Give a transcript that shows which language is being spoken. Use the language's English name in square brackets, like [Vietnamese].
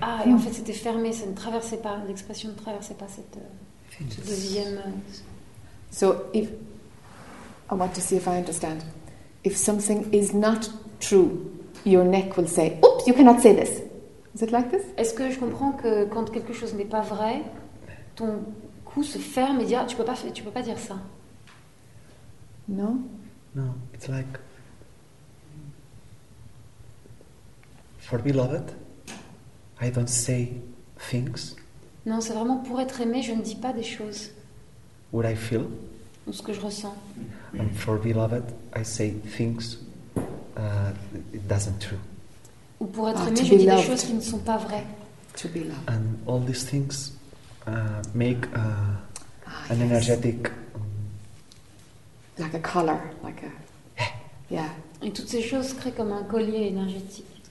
[French] Ah, et en fait, c'était fermé, ça ne traversait pas, l'expression ne traversait pas cette deuxième. [English] So, if I want to see if I understand, if something is not true, your neck will say, "Oops, you cannot say this." Is it like this? [French] Est-ce que je comprends que quand quelque chose n'est pas vrai, ton cou se ferme et dit, tu peux pas dire ça. Non. [English] Non. It's like for beloved. I don't say things. [French] Non, c'est vraiment pour être aimé, je ne dis pas des choses. [English] What I feel. [French] Ou ce que je ressens. [English] And for beloved, I say things it doesn't true. [French] Ou pour être aimé, je dis des choses qui ne sont pas vraies. [English] To be loved. And all these things make an energetic. Like a collar, like a. Yeah. [French] Et toutes ces choses créent comme un collier énergétique.